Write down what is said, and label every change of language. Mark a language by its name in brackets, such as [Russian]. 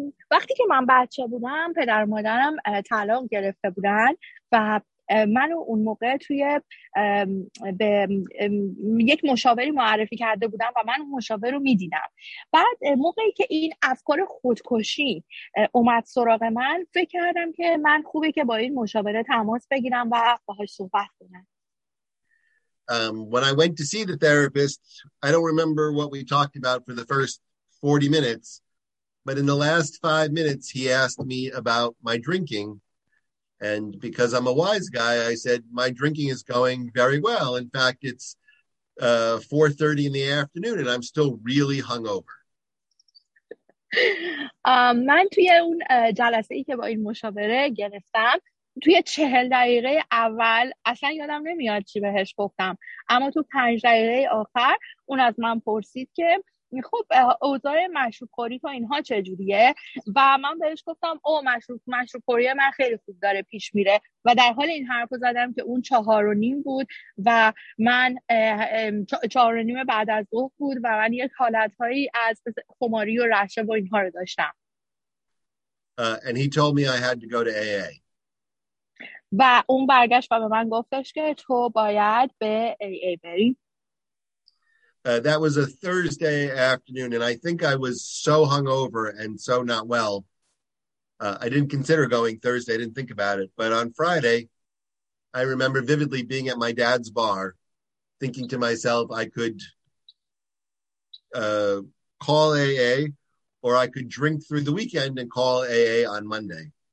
[Persian] وقتی که من بچه بودم، پدر و مادرم طلاق گرفته بودن و منو اون موقع توی به یک مشاوری معرفی کرده بودم و من اون مشاور رو میدیدم. بعد موقعی که این افکار خودکشی اومد سراغ من، فکر کردم که من خوبه که با این مشاوره تماس بگیرم و باهاش صحبت کنم. [English] When I went to see the therapist, I don't remember what we talked about for the first 40 minutes, but in the last 5 minutes he asked me about my drinking. And because I'm a wise guy, I said, my drinking is going very well. In fact, it's 4:30 in the afternoon and I'm still really hungover. [Persian] من توی اون جلسه ای که با این مشاوره گرفتم، توی 40 دقیقه اول اصلا یادم نمیاد چی بهش گفتم، اما تو 5 دقیقه آخر اون از من پرسید که خب اوضاع مشروب خوری تو اینها چجوریه و من بهش گفتم او مشروب خوری من خیلی خوب داره پیش میره و در حال این حرف رو زدم که اون 4:30 بود و من 4:30 بعد از ظهر بود و من یک حالتهایی از خماری و رحشه با اینها رو داشتم [English] and he told me I had to go to AA. [Persian] و اون برگشت و به من گفتش که تو باید به AA بری. [English] That was a Thursday afternoon, and I think I was so hungover and so not well. I didn't consider going Thursday. I didn't think about it. But on Friday, I remember vividly being at my dad's bar, thinking to myself, I could call AA, or I could drink through the weekend and call AA on Monday.